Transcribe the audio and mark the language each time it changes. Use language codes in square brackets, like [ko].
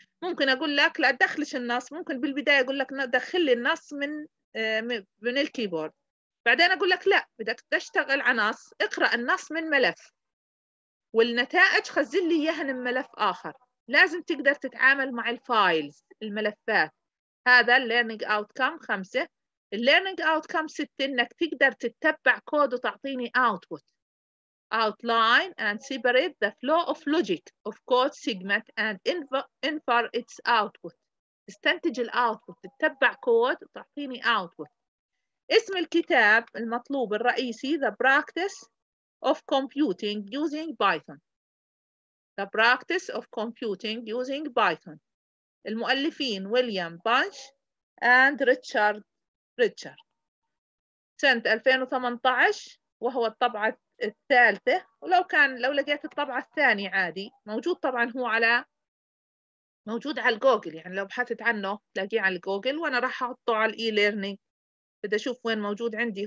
[ar] ممكن اقول لك لا تدخلش النص، ممكن بالبدايه اقول لك دخل لي النص من الكيبورد، بعدين اقول لك لا بدك تشتغل على نص، اقرا النص من ملف والنتائج خزن لي اياها من ملف اخر. لازم تقدر تتعامل مع الفايلز الملفات. هذا الليرنينج اوتكم 5. الليرنينج اوتكم 6 انك تقدر تتبع كود وتعطيني اوتبوت. [en] Outline and separate the flow of logic of code segment and infer its output. [ar] استنتج الاوتبوت، تتبع كود وتعطيني اوتبوت. اسم الكتاب المطلوب الرئيسي [en] The Practice of Computing Using Python. The Practice of Computing Using Python. [ar] المؤلفين ويليام بانش and Richard. سنة 2018 وهو الطبعة الثالثة، ولو كان لو لقيت الطبعة الثانية عادي موجود. طبعا هو على موجود على الجوجل، يعني لو بحثت عنه تلاقيه على الجوجل، وانا راح احطه على الاي ليرنينج بدي اشوف وين موجود عندي.